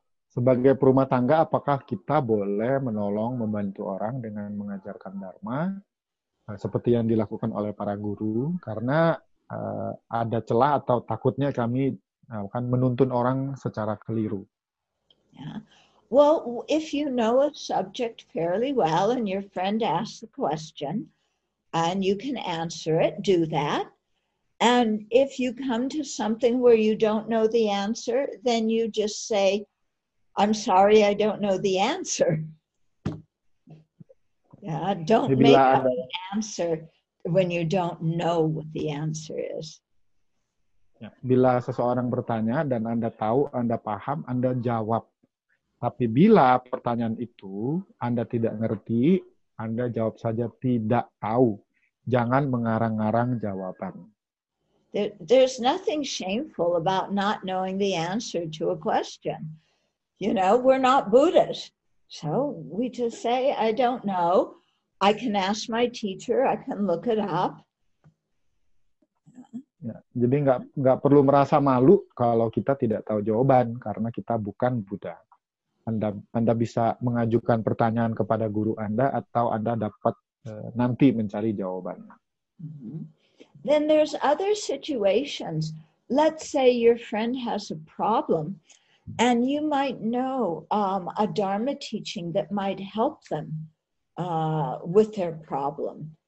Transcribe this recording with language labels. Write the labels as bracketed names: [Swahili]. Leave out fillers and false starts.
[Indonesian] Sebagai perumah tangga, apakah kita boleh menolong, membantu orang dengan mengajarkan Dharma, seperti yang dilakukan oleh para guru, karena ada celah atau takutnya kami akan menuntun orang secara keliru. Ya. [English] Well, if you know a subject fairly well and your friend asks a question and you can answer it, do that. And if you come to something where you don't know the answer, then you just say, I'm sorry, I don't know the answer. Yeah, don't make up an answer when you don't know what the answer is. [Indonesian] Bila seseorang bertanya dan Anda tahu, Anda paham, Anda jawab. Tapi bila pertanyaan itu Anda tidak ngerti, Anda jawab saja tidak tahu. Jangan mengarang-arang jawaban. [English] There's nothing shameful about not knowing the answer to a question. You know, we're not Buddhist. So we just say, I don't know. I can ask my teacher. I can look it up. [Indonesian] Ya, jadi nggak perlu merasa malu kalau kita tidak tahu jawaban karena kita bukan Buddha. Anda bisa mengajukan pertanyaan kepada guru Anda atau Anda dapat nanti mencari jawaban. [English] Then there's other situations. Let's say your friend has a problem, and you might know a Dharma teaching that might help them with their problem.